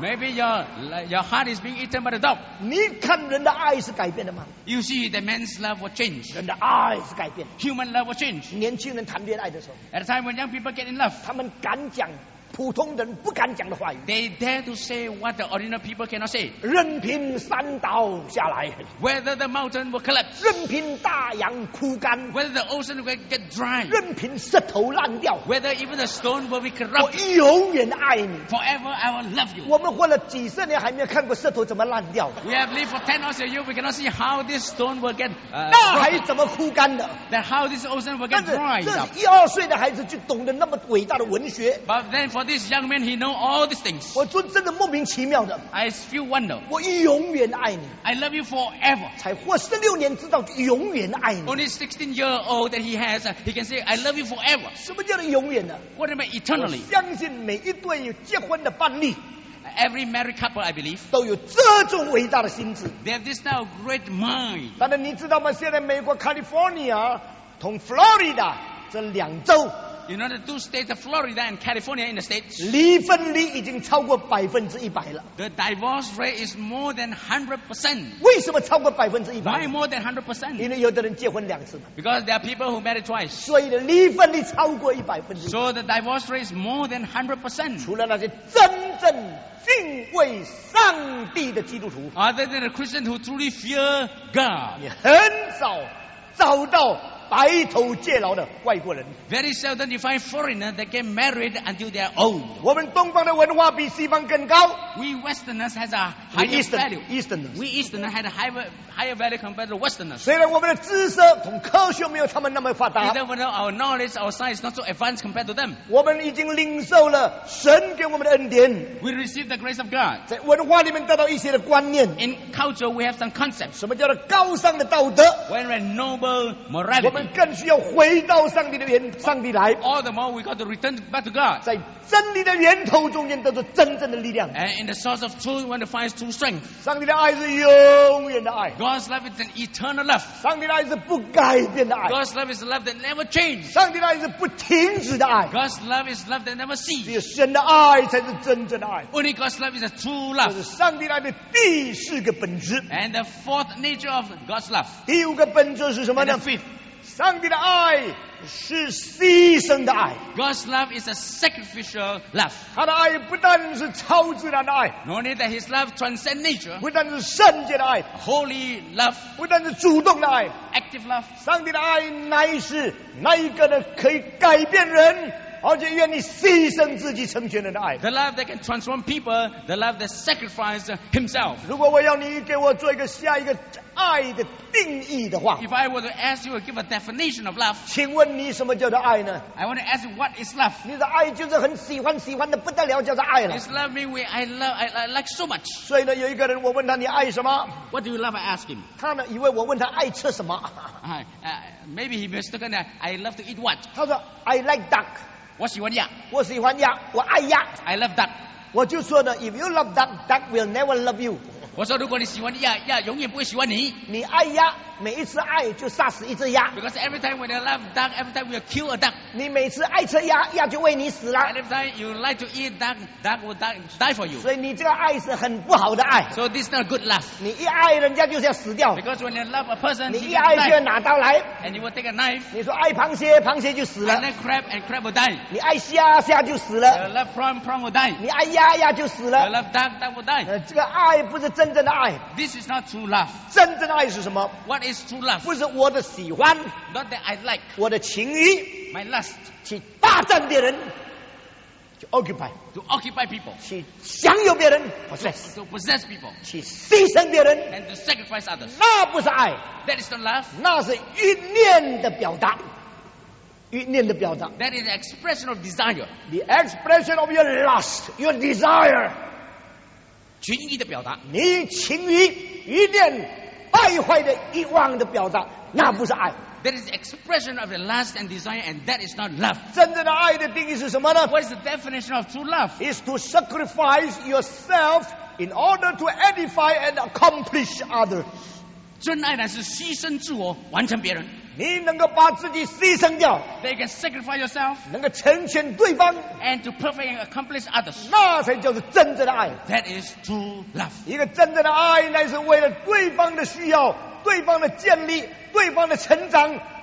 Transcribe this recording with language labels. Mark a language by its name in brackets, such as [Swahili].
[English] Maybe your heart is being eaten by the dog. [Chinese] 你看人的爱是改变的吗？ [English] You see, the man's love will change. [Chinese] 人的爱是改变。 [English] Human love will change. [Chinese] 年轻人谈恋爱的时候。 [English] At a time when young people get in love. [Chinese] 他们敢讲普通人不敢讲的话语。 [English] They dare to say what the ordinary people cannot say. [Chinese] 任凭山倒下来。 [English] Whether the mountain will collapse. [Chinese] 任凭大洋枯干。 [English] Whether the ocean will get dry. [Chinese] 任凭石头烂掉。 [English] Whether even the stone will be corrupt. [Chinese] 我永远爱你。 [English] Forever I will love you. [Chinese] 我们活了几十年还没有看过石头怎么烂掉。 [English] We have lived for 10 or so years, we cannot see how this stone will get dry. [Chinese] 那还怎么枯干的？ [English] That how this ocean will get dry. [Chinese] 这一二岁的孩子就懂得那么伟大的文学。 [English] But then for this young man, he knows all these things. [Chinese] 我就真的莫名其妙的。 [English] I feel wonder. [Chinese] 我永远爱你。 [English] I love you forever. [Chinese] 才活16年，知道永远爱你。 [English] Only 16 years old that he has, he can say, I love you forever. [Chinese] 什么叫做永远呢？ [English] What about eternally? [Chinese] 我相信每一对有结婚的伴侣。 [English] Every married couple, I believe, [Chinese] 都有这种伟大的心智。 [English] They have this now great mind. [Chinese] 但是你知道吗？现在美国 California 同 Florida 这两州。 [English] You know the two states of Florida and California in the states? [Chinese] 离婚率已经超过100%了。 [English] The divorce rate is more than 100%. [Chinese] 为什么超过100%？ [English] Why more than 100%? [Chinese] 因为有的人结婚两次。 [English] Because there are people who married twice. [Chinese] 所以离婚率超过100%。 [English] So the divorce rate is more than 100%. [Chinese] 除了那些真正敬畏上帝的基督徒。 [English] Other than the Christians who truly fear God. [Chinese] 你很少找到白头偕老的外国人。 [English] Very seldom you find foreigners that get married until they are old. [Chinese] 我们东方的文化比西方更高。 [English] We Westerners has a higher value. Easterners. We Easterners had a higher value compared to Westerners. [Chinese] 虽然我们的知识同科学没有他们那么发达。 [English] Even though our knowledge, our science is not so advanced compared to them. [Chinese] 我们已经领受了神给我们的恩典。 [English] We received the grace of God. [Chinese] 在文化里面得到一些的观念。 [English] In culture, we have some concepts. [Chinese] 什么叫做高尚的道德？ [English] When a noble morality. [Chinese] 我们更需要回到上帝的源，上帝来。 [English] All the more we got to return back to God. [Chinese] 在真理的源头中间得到真正的力量。 [English] And in the source of truth, we want to find true strength. [Chinese] 上帝的爱是永远的爱。 [English] God's love is an eternal love. [Chinese] 上帝的爱是不改变的爱。 [English] God's love is love that never changes. [Chinese] 上帝的爱是不停止的爱。 [English] God's love is love that never ceases. [Chinese] 只有神的爱才是真正的爱。 [English] Only God's love is a true love. [Chinese] 这是上帝的爱的第四个本质。 [English] And the fourth nature of God's love. [Chinese] 第五个本质是什么呢？ [English] And the fifth. [Chinese] 上帝的爱是牺牲的爱。 [English] God's love is a sacrificial love. [Chinese] 他的爱不但是超自然的爱。 [English] Not only that his love transcends nature. [Chinese] 不但是圣洁的爱。 [English] Holy love. [Chinese] 不但是主动的爱。 [English] Active love. [Chinese] 上帝的爱乃是那一个的可以改变人。而且愿意牺牲自己成全人的爱。 [English] The love that can transform people, the love that sacrifices himself. [Chinese] 如果我要你给我做一个下一个爱的定义的话。 [English] If I were to ask you to give a definition of love. [Chinese] 请问你什么叫做爱呢？ [English] I want to ask you what is love. [Chinese] 你的爱就是很喜欢，喜欢的不得了，叫做爱了。 [English] It's love me when I love, I like so much. [Chinese] 所以呢，有一个人我问他你爱什么？ [English] What do you love? I ask him. [Chinese] 他呢，以为我问他爱吃什么。 [English] Maybe he mistaken that I love to eat what? [Chinese] 他说 [English] I like duck. [Chinese] 我喜欢鸭，我喜欢鸭，我爱鸭。 [English] I love duck。 [Chinese] 我就说呢 [English] ，If you love duck, duck will never love you。 [Chinese] 我说如果你喜欢鸭，鸭永远不会喜欢你。你爱鸭，每一次爱就杀死一只鸭。 [English] Because every time when you love duck, every time we kill a duck。 [Chinese] 你每次爱吃鸭，鸭就为你死了。 [English] Every time you like to eat duck, duck will die for you。 [Chinese] 所以你这个爱是很不好的爱。 [English] So this is not good love。 [Chinese] 你一爱人家就是要死掉。 [English] Because when you love a person, [Chinese] 你一爱就要拿刀来。 [English] And you will take a knife。 [Chinese] 你说爱螃蟹，螃蟹就死了。 [English] And then crab and crab will die。 [Chinese] 你爱虾，虾就死了。 [English] You love prawn will die。 [Chinese] 你爱鸭，鸭就死了。 [English] You love duck, duck will die。 [Chinese] 这个爱不是真。真正的爱 [English] This is not true love. [Chinese] 真正的爱是什么？ [English] What is true love? [Chinese] 不是我的喜欢， [English] Not that I like. [Chinese] 我的情欲， [English] My lust. [Chinese] 去霸占别人， [English] To occupy. To occupy people. [Chinese] 去享有别人， [English] Possess. To possess people. [Chinese] 去牺牲别人， [English] And to sacrifice others. [Chinese] 那不是爱， [English] That is not love. [Chinese] 那是欲念的表达，欲念的表达， [English] That is the expression of desire. The expression of your lust, your desire. [Chinese] 情欲的表达，你情欲一念败坏的欲望的表达，那不是爱。 [English] That is the expression of the lust and desire, and that is not love. [Chinese] 真正的爱的定义是什么呢？ [English] What is the definition of true love? Is to sacrifice yourself in order to edify and accomplish others. [Chinese] 真爱乃是牺牲自我，完成别人。 [English] They can sacrifice yourself and to perfect and accomplish others. That is true love.